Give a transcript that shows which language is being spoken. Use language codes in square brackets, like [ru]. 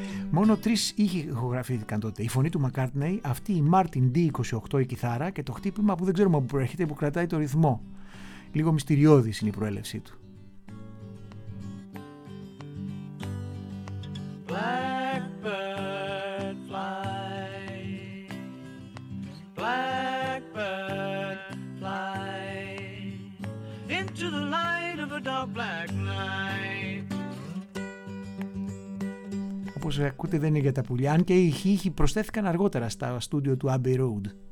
[el] Μόνο τρεις ήχοι ηχογραφήθηκαν τότε. Η φωνή του Μακάρτνεϊ, αυτή η Martin D28 η κιθάρα και το χτύπημα που δεν ξέρουμε από πού προέρχεται, που κρατάει το ρυθμό. Λίγο μυστηριώδης είναι η προέλευσή του. [en] Blackbird fly, blackbird fly, into the light of a dark black night. [el] Όπως ακούτε δεν είναι για τα πουλιά, αν και οι ήχοι προσθέθηκαν αργότερα στα στούντιο του Abbey Road.